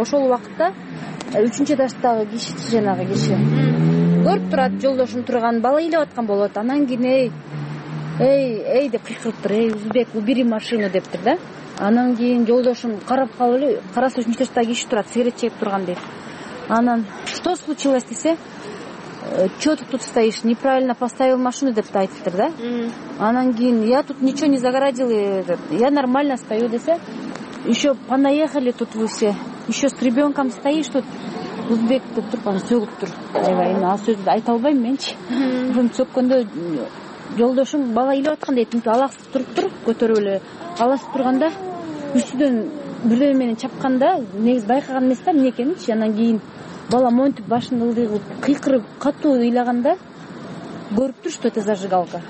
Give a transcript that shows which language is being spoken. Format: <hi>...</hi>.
<ky>Ошол убакытта 3-чү этаждагы киши, жанагы киши көрүп турат жолдошум турган, бала ыйлап аткан болот. Анан кийин эй деп кыйкырыптыр, эй Узбек,</ky> <ru>убери машину</ru> <ky>дептир да. Анан кийин жолдошум карап калып эле, караса 3-чү этаждагы киши турат, сигарет чегип турган дейт.</ky> <ru>Анан что случилось десе, чё ты тут стоишь, неправильно поставил машину,</ru> <ky>деп айтыптыр да. Анан кийин</ky> <ru>я тут ничего не загородил, я нормально стою десе, еще понаехали тут вы все, еще с ребенком стоишь тут,</ru> <ky>Узбек деп туруп анан сөгүп тур. Ал сөздү айта албайм менчи. Ушун сөккөндө жолдошум бала ыйлап аткандай тинтип аласып туруп тур, көтөрүп эле аласып турганда үстүдөн бирөө менен чапканда негизи байкаган эмес да эмне экенинчи. Анан кийин бала монтип башын ылдый кылып кыйкырып катуу ыйлаганда көрүптүр,</ky> <ru>что это зажигалка.</ru>